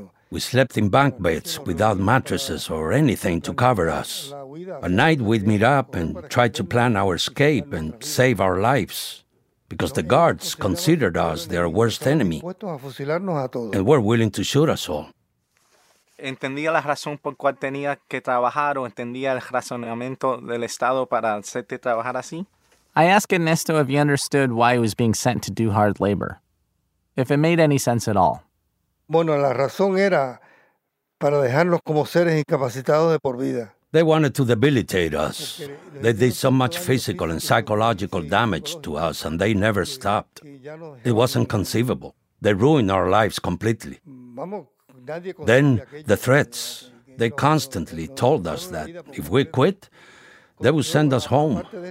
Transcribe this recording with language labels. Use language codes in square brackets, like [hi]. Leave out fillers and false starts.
[en] We slept in bunk beds without mattresses or anything to cover us. At night we'd meet up and try to plan our escape and save our lives, because the guards considered us their worst enemy and were willing to shoot us all. [es] Entendía la razón por cual tenía que trabajar o entendía el razonamiento del Estado para hacerte trabajar así. [en] I ask Ernesto if he understood why he was being sent to do hard labor, if it made any sense at all. [es] Bueno, la razón era para dejarlos como seres incapacitados de por vida. [en] They wanted to debilitate us. They did so much physical and psychological damage to us, and they never stopped. It wasn't conceivable. They ruined our lives completely. Then the threats. They constantly told us that if we quit, they would send us home.